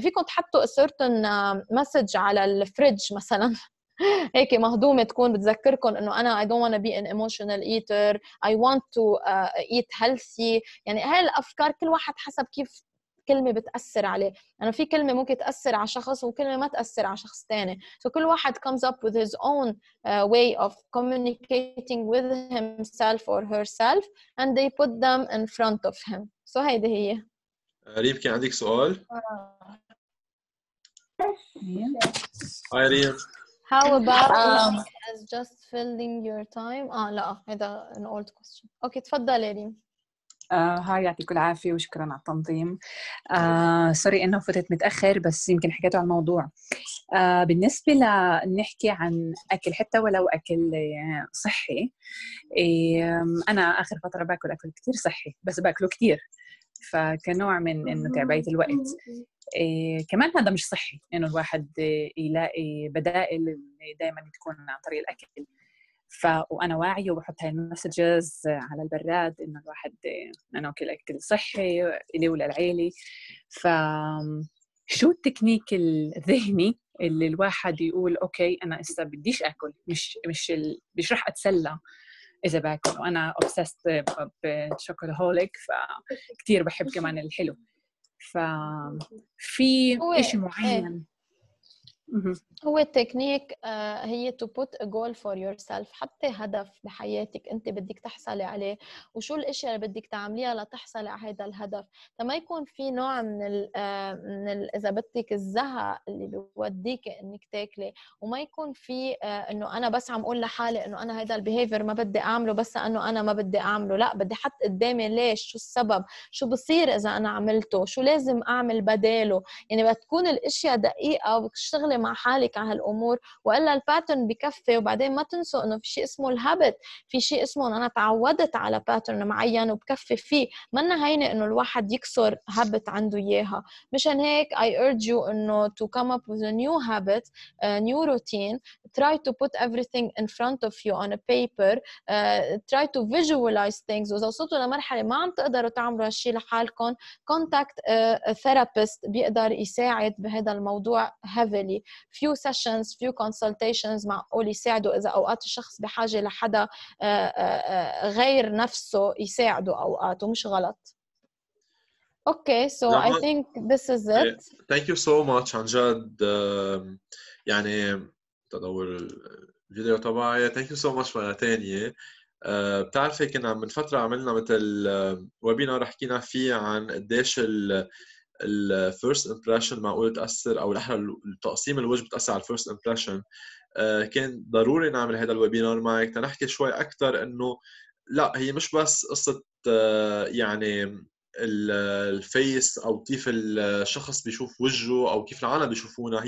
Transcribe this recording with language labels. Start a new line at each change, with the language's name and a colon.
Arabic: فيكم تحطوا certain message على الفريج مثلا هيك مهضومة تكون بتذكركم انه انا I don't want to be an emotional eater, I want to eat healthy. يعني هاي الافكار كل واحد حسب كيف كلمة بتأثر عليه. أنا في كلمة ممكن تأثر على شخص وكلمة ما تأثر على شخص تاني.
English: So كل واحد comes up with his own way of communicating with himself or herself and they put them in front of him.
Arabic: So هيدي هي. ريم كان عندك سؤال؟ هاي ريم.
English: How about as just filling your time?
Arabic: آه لا هذا an old question. Okay تفضل ريم. هاي يعطيكم العافية وشكرا على التنظيم. سوري إنه فتت متأخر بس يمكن حكيتوا على الموضوع. بالنسبة لنحكي عن أكل حتى ولو أكل صحي. أنا آخر فترة بأكل أكل كتير صحي بس بأكله كتير. فكنوع من إنه تعبئة الوقت. كمان هذا مش صحي إنه الواحد يلاقي بدائل دائما تكون عن طريق الأكل. وأنا واعية وبحط هاي المسجز على البراد إنه الواحد أنا أكل أكل صحي إلي وللعيلة. فشو التكنيك الذهني اللي الواحد يقول أوكي أنا إسا بديش أكل مش رح أتسلى إذا بأكل. وأنا أبسست بشوكولهوليك فكتير بحب كمان الحلو. ففي إشي معين
English: هو التكنيك هي to put a goal for yourself.
Arabic: حتى هدف بحياتك أنت بدك تحصل عليه وشو الأشياء اللي بدك تعمليها لتحصل على هذا الهدف. فما يكون في نوع من الـ إذا بدك الزهق اللي بوديك أنك تاكلي وما يكون في أنه أنا بس عم أقول لحالي أنه أنا هذا البيهيفير ما بدي أعمله بس أنه أنا ما بدي أعمله. لا بدي حط قدامي ليش شو السبب شو بصير إذا أنا عملته شو لازم أعمل بداله. يعني بتكون الأشياء دقيقة وبتشتغل مع حالك على هالأمور وإلا الباترن بكفي. وبعدين ما تنسوا أنه في شيء اسمه الهابت في شيء اسمه أنا تعودت على باترن معين وبكفي فيه. ما نهينا أنه الواحد يكسر هابت عنده إياها.
English: مشان هيك I urge you أنه to come up with a new habit, a new routine. Try to put everything in front of you on a paper. Try to visualize things.
Arabic: وإذا وصلتوا لمرحلة ما عم تقدروا تعملوا هالشي لحالكم contact a therapist بيقدر يساعد بهذا الموضوع heavily. Few sessions, few consultations مع أول يساعده إذا أوقات الشخص بحاجة لحدا غير نفسه يساعده أوقات ومش غلط.
English: Okay, so I think this is it. Thank you so much عن جد.
Arabic: يعني تدور الفيديو تبعي.
English: Thank you so much مرة تانية.
Arabic: بتعرفي كنا من فترة عملنا مثل ويبينار حكينا فيه عن قديش ال first impression معقول تأثر أو الأحرى التقسيم الوجه بتأثر على first impression. كان ضروري نعمل هذا الويبينار معك تنحكي شوي أكثر إنه لا هي مش بس قصة يعني الفيس أو كيف الشخص بيشوف وجهه أو كيف العالم بيشوفونا.